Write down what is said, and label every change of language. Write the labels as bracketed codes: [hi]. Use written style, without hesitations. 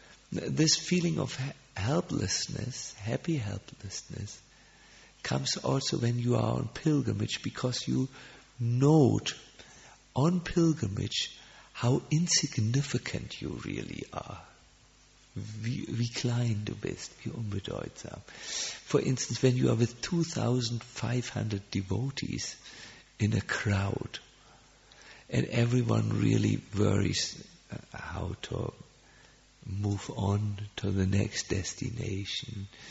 [en] This feeling of helplessness, happy helplessness, comes also when you are on pilgrimage, because you note on pilgrimage how insignificant you really are. [de] Wie klein du bist, wie unbedeutsam. [en] For instance, when you are with 2,500 devotees in a crowd, and everyone really worries how to move on to the next destination.